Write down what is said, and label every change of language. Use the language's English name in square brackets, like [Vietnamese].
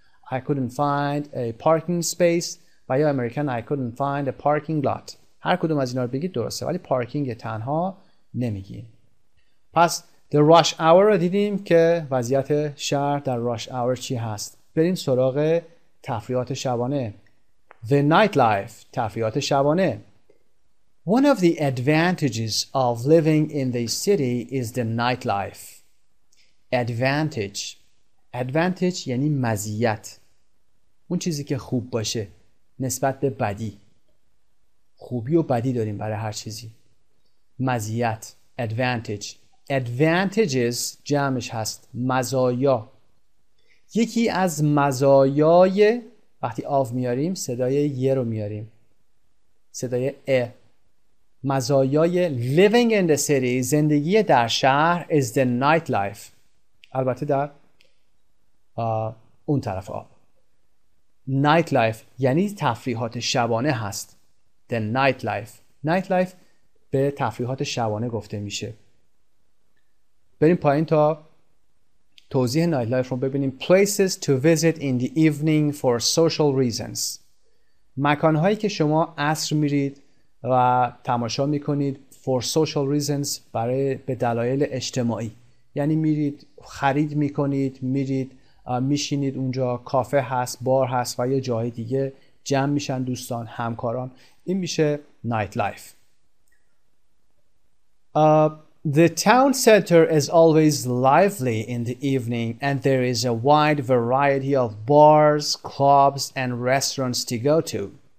[English] I couldn't find a parking space. [Persian] و یا امریکن [English] I couldn't find a parking lot. [Persian] هر کدوم از اینا رو بگید درسته. ولی پارکینگ تنها نمیگید. پس the rush hour رو دیدیم که وضعیت شهر در rush hour چی هست. بریم سراغ تفریحات شبانه. [English] The nightlife. [Persian] تفریحات شبانه. [English] One of the advantages of living in the city is the nightlife. Advantage. Advantage [Persian] یعنی مزیت. اون چیزی که خوب باشه. نسبت به بدی. خوبی و بدی داریم برای هر چیزی. مزیت. Advantage. Advantages جمعش هست. مزایا. یکی از مزایای وقتی آف میاریم صدای یه رو میاریم. صدای ا. مزایای [English] living in the city [Persian] زندگی در شهر [English] is the nightlife. [Persian] البته در اون طرف آف. Nightlife یعنی تفریحات شبانه هست. [English] The nightlife. [Persian] Nightlife به تفریحات شبانه گفته میشه. بریم پایین تا توضیح nightlife رو ببینیم. [English] Places to visit in the evening for social reasons. [Persian] مکانهایی که شما عصر میرید و تماشا میکنید [English] for social reasons [Persian] برای به دلایل اجتماعی. یعنی میرید خرید میکنید میرید میشینید اونجا کافه هست بار هست و یه جای دیگه جمع میشن دوستان همکاران این میشه نایت لایف. [English] The town center is always lively in the evening and there is a wide variety of bars, clubs and restaurants to go to.